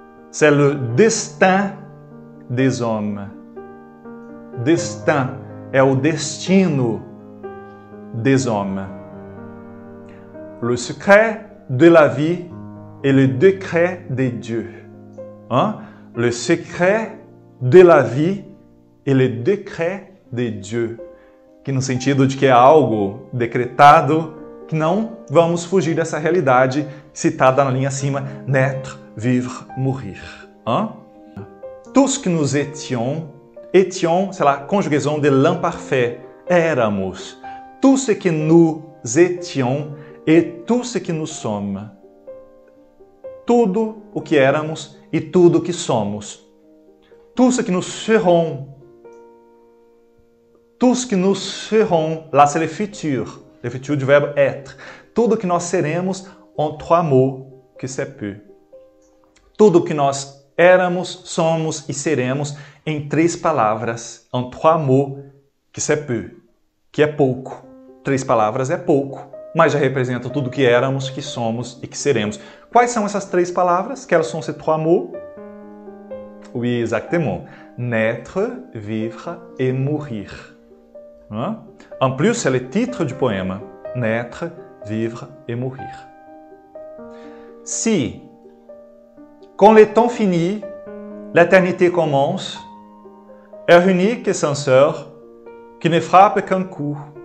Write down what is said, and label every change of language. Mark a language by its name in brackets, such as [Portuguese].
[French] C'est le destin des hommes. Destin [Portuguese] é o destino [French] des hommes. Le secret de la vie est le décret de Dieu. Hein? Le secret de la vie est le décret de Dieu. [Portuguese] Que no sentido de que é algo decretado, que não vamos fugir dessa realidade citada na linha acima, [French] naître, vivre, mourir. Hein? Tout ce que nous étions, étions, [Portuguese] sei lá, conjugação [French] de l'imparfait, [Portuguese] éramos. [French] Tout ce que nous étions et tout ce que nous sommes. [Portuguese] Tudo o que éramos e tudo o que somos. [French] Tout ce que nous serons. Tout ce que nous serons. Là, c'est le futur du verbe être. [Portuguese] Tudo o que nós seremos [French] en trois mots que c'est peu. [Portuguese] Tudo o que nós éramos, somos e seremos em três palavras, [French] en trois mots, que c'est peu, [Portuguese] que é pouco. Três palavras é pouco, mas já representa tudo que éramos, que somos e que seremos. Quais são essas três palavras? [French] Quelles sont ces trois mots? Oui, exactement. Naître, vivre et mourir. Hein? En plus, c'est le titre du poème. Naître, vivre et mourir. Si, quand le temps finit, l'éternité commence, est unique et censeur, qui ne frappe qu'un coup.